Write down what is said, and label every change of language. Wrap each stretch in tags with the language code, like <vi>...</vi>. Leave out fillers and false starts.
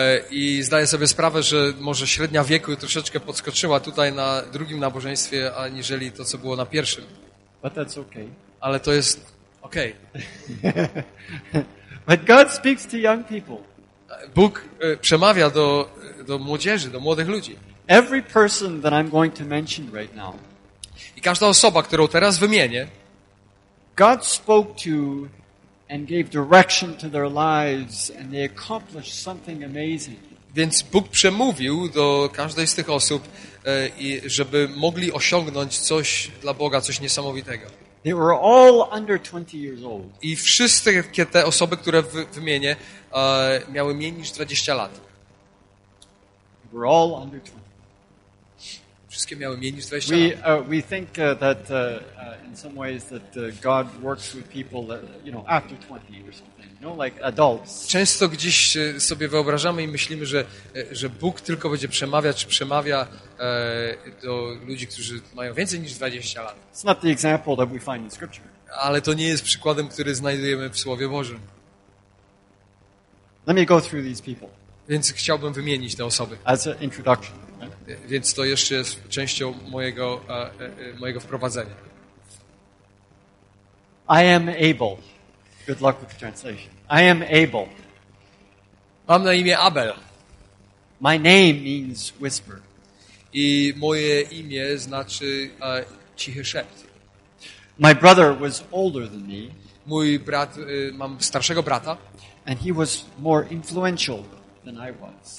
<pl>I zdaję sobie sprawę, że może średnia wieku troszeczkę podskoczyła tutaj na drugim nabożeństwie, aniżeli to, co było na pierwszym.</pl> <en>But that's okay.</en> <pl>Ale to jest okej.</pl> <en>Okay. But God speaks to young people.</en> <pl>Bóg przemawia do młodzieży, do młodych ludzi.</pl> <en>Every person that I'm going to mention right now.</en> <pl>I każda osoba, którą teraz wymienię,</pl> <en>God spoke to and gave direction to their lives and they accomplished something amazing.</en> <pl>Więc Bóg przemówił do każdej z tych osób i żeby mogli osiągnąć coś dla Boga, coś niesamowitego.</pl> <en>They were all under 20 years old.</en> <pl>I wszystkie te osoby, które wymienię, miały mniej niż 20 lat.</pl> <en>They were all under 20.</en> <pl>Wszystkie miały mniej niż 20 lat.</pl> <en>We think that in some ways that God works with people that, you know, after 20 or something, you know, like adults.</en> <pl>Często gdzieś sobie wyobrażamy i myślimy, że Bóg tylko będzie przemawiać czy przemawia do ludzi, którzy mają więcej niż 20 lat.</pl> <en>It's not the example that we find in scripture.</en> <pl>Ale to nie jest przykładem, który znajdujemy w Słowie Bożym.</pl> <en>Let me go through these people.</en> <pl>Więc chciałbym wymienić te osoby.</pl> <en>As an introduction.</en> <pl>Więc to jeszcze jest częścią mojego wprowadzenia.</pl> <en>I am able. Good luck with the translation. I am able.</en> <pl>Mam na imię Abel.</pl> <en>My name means whisper.</en> <pl>I moje imię znaczy cichy szept.</pl> <en>My brother was older than me.</en> <pl>Mój brat, mam starszego brata.</pl> <en>And he was more influential than I was.</en>